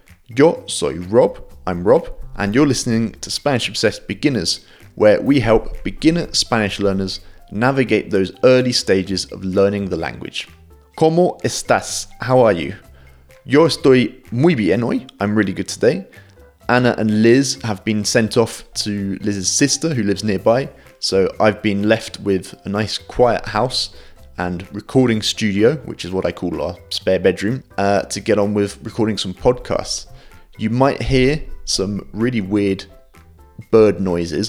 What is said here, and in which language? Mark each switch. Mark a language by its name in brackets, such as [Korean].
[Spanish] Yo soy Rob, [English] I'm Rob, and you're listening to Spanish Obsessed Beginners, where we help beginner Spanish learners navigate those early stages of learning the language. [Spanish] ¿Cómo estás? [English] How are you? [Spanish] Yo estoy muy bien hoy, [English] I'm really good today. Anna and Liz have been sent off to Liz's sister who lives nearby, so I've been left with a nice quiet house and recording studio, which is what I call our spare bedroom, to get on with recording some podcasts. You might hear some really weird bird noises.